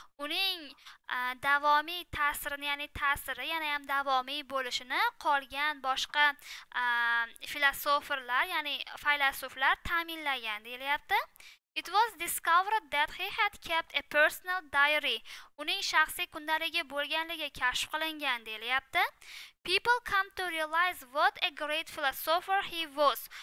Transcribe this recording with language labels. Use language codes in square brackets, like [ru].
[uz] Uning davomiy ta'sirini, ya'ni ta'siri yana ham davomiy bo'lishini qolgan boshqa filosoflar, ya'ni faylasuflar ta'minlagan deyilyapti. [en] It was discovered that he had kept a personal diary. [uz] Uning shaxsiy kundaligi bo'lganligi kashf qilingan deyilyapti. [en] People come to realize what a great philosopher he was.